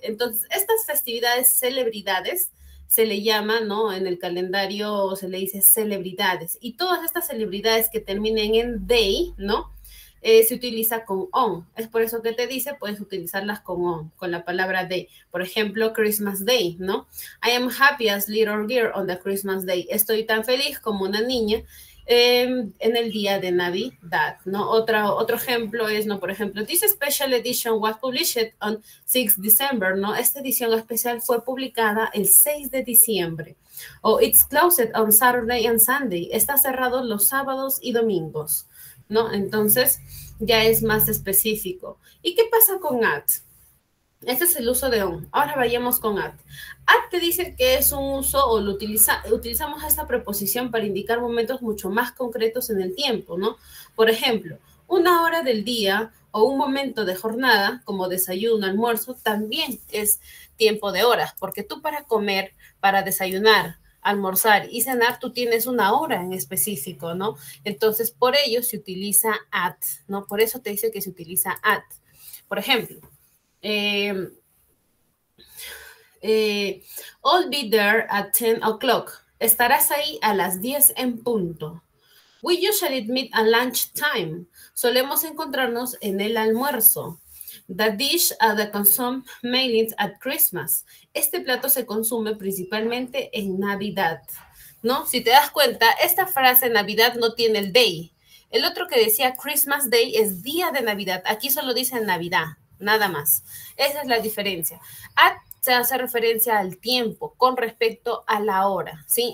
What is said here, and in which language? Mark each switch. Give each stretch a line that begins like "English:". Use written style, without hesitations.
Spanish: Entonces, estas festividades, celebridades, se le llama, ¿no? En el calendario se le dice celebridades. Y todas estas celebridades que terminen en day, ¿no? Se utiliza con on. Es por eso que te dice, puedes utilizarlas con on, con la palabra day. Por ejemplo, Christmas Day, ¿no?
English: I am happy as little girl on the Christmas Day.
Spanish: Estoy tan feliz como una niña en el día de Navidad, ¿no? Otro ejemplo es, ¿no? Por ejemplo,
English: this special edition was published on 6 December, ¿no?
Spanish: Esta edición especial fue publicada el 6 de diciembre.
English: O it's closed on Saturday and Sunday.
Spanish: Está cerrado los sábados y domingos, ¿no? Entonces, ya es más específico. ¿Y qué pasa con at? Este es el uso de on. Ahora vayamos con at. At te dice que es un uso, o lo utilizamos esta preposición para indicar momentos mucho más concretos en el tiempo, ¿no? Por ejemplo, una hora del día o un momento de jornada, como desayuno, almuerzo, también es tiempo de horas, porque tú para comer, para desayunar, almorzar y cenar, tú tienes una hora en específico, ¿no? Entonces, por ello se utiliza at, ¿no? Por eso te dice que se utiliza at. Por ejemplo,
English: I'll be there at 10 o'clock.
Spanish: Estarás ahí a las 10 en punto.
English: We usually meet at lunch time.
Spanish: Solemos encontrarnos en el almuerzo.
English: The dish that consumes mainly at Christmas.
Spanish: Este plato se consume principalmente en Navidad, ¿no? Si te das cuenta, esta frase Navidad no tiene el day. El otro que decía Christmas Day es día de Navidad. Aquí solo dice Navidad, nada más. Esa es la diferencia. At se hace referencia al tiempo con respecto a la hora, ¿sí?